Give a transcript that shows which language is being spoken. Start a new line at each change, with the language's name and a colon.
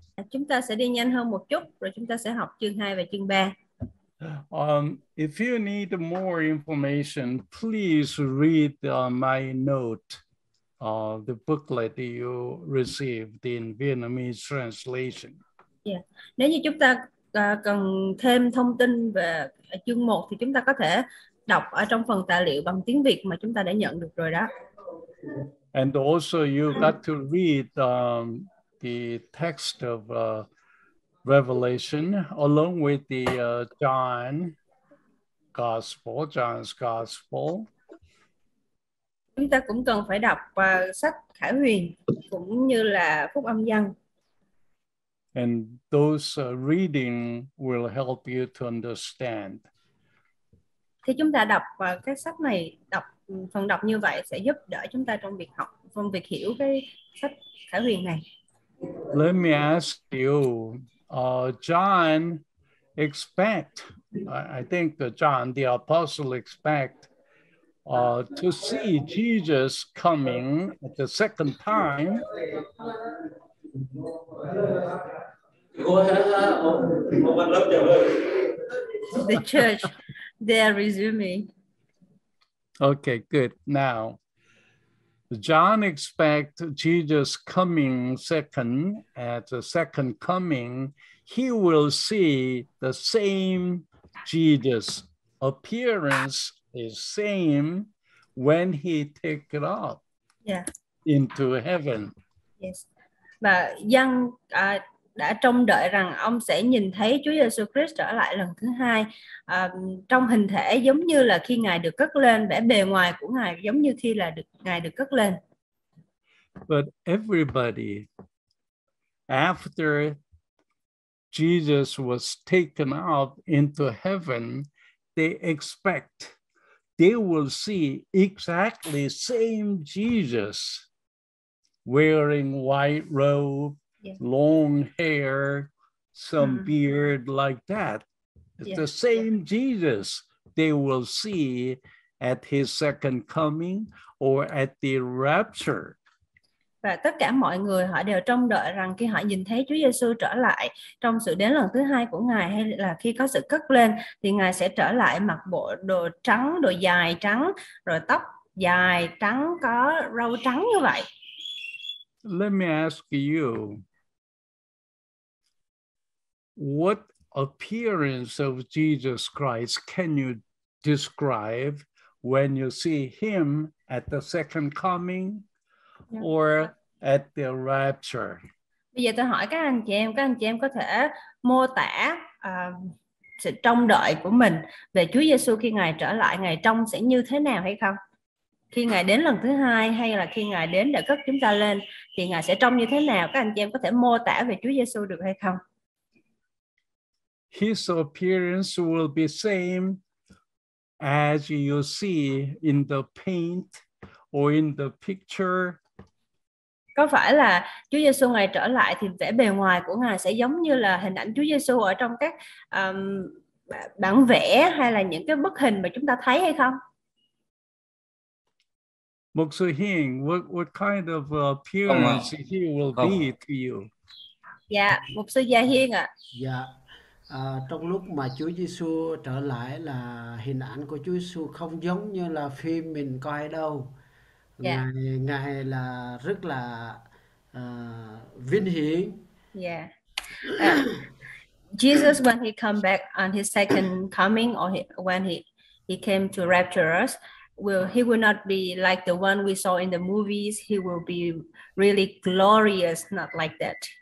Vietnamese: Chúng ta sẽ đi nhanh hơn một chút rồi chúng ta sẽ học chương 2 và chương 3.
English: If you need more information, please read my note. The booklet you received in Vietnamese translation. Yeah.
Vietnamese: Nếu như chúng ta cần thêm thông tin về chương 1 thì chúng ta có thể đọc ở trong phần tài liệu bằng tiếng Việt mà chúng ta đã nhận được rồi đó.
English: And also you got to read the text of Revelation along with the John's Gospel.
Vietnamese: Chúng ta cũng cần phải đọc sách Khải Huyền cũng như là Phúc Âm Giăng.
English: And those reading will help you to understand.
Vietnamese: Thì chúng ta đọc cái sách này, đọc phần đọc như vậy sẽ giúp đỡ chúng ta trong việc học, trong việc hiểu cái sách Khải Huyền này.
English: Let me ask you, John expect, I think that John the Apostle expect to see Jesus coming at the second time. The church, they are resuming. Okay, good. Now, John expect Jesus coming second, at the second coming, he will see the same Jesus appearance is same when he take it up into heaven. Yes.
Vietnamese: Và dân đã trông đợi rằng ông sẽ nhìn thấy Chúa Giêsu Christ trở lại lần thứ hai trong hình thể giống như là khi Ngài được cất lên, vẻ bề ngoài của Ngài giống như khi là được Ngài được cất lên.
English: But everybody, after Jesus was taken up into heaven, they expect they will see exactly same Jesus wearing white robe, long hair, some beard like that. It's the same Jesus they will see at his second coming or at the rapture.
Vietnamese: Và tất cả mọi người họ đều trông đợi rằng khi họ nhìn thấy Chúa Giêsu trở lại trong sự đến lần thứ hai của Ngài hay là khi có sự cất lên thì Ngài sẽ trở lại mặc bộ đồ trắng, đồ dài trắng, rồi tóc dài trắng, có râu trắng như vậy.
English: Let me ask you, what appearance of Jesus Christ can you describe when you see him at the second coming? Or at the rapture.
Vietnamese: Bây giờ tôi hỏi các anh chị em có thể mô tả sự trông đợi của mình về Chúa Giêsu khi Ngài trở lại, Ngài trông sẽ như thế nào hay không? Khi Ngài đến lần thứ hai hay là khi Ngài đến để cất chúng ta lên thì Ngài sẽ trông như thế nào? Các anh chị em có thể mô tả về Chúa Giêsu được hay không?
English: His appearance will be same as you see in the paint or in the picture.
Vietnamese: Có phải là Chúa Giêsu ngài trở lại thì vẻ bề ngoài của ngài sẽ giống như là hình ảnh Chúa Giêsu ở trong các bản vẽ hay là những cái bức hình mà chúng ta thấy hay không?
English: Mục sư Hiền, what kind of appearance he will be to you?
Vietnamese: Dạ, Mục sư Gia Hiên ạ. Dạ, trong lúc mà Chúa Giêsu trở lại là hình ảnh của Chúa Giêsu không giống như là phim mình coi đâu. Ngài ngài là rất là vinh hiển.
English: Yeah. Jesus, when he come back on his second coming or when he came to rapture us, he will not be like the one we saw in the movies. He will be really glorious, not like that.